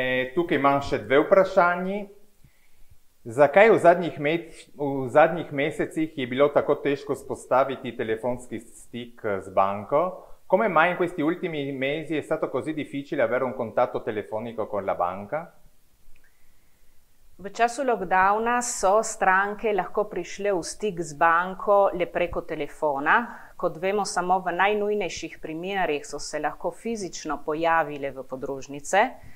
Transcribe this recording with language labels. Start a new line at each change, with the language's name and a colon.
Slovenian: Tukaj imam še dve vprašanji. Zakaj v zadnjih mesecih je bilo tako težko vzpostaviti telefonski stik z banko?
Italian: Come mai in questi ultimi mesi è stato così difficile avere un contatto telefonico con la banca?
Slovenian: V času lockdowna so stranke lahko prišle v stik z banko le preko telefona. Kot vemo, samo v najnujnejših primerih so se lahko fizično pojavile v podružnice.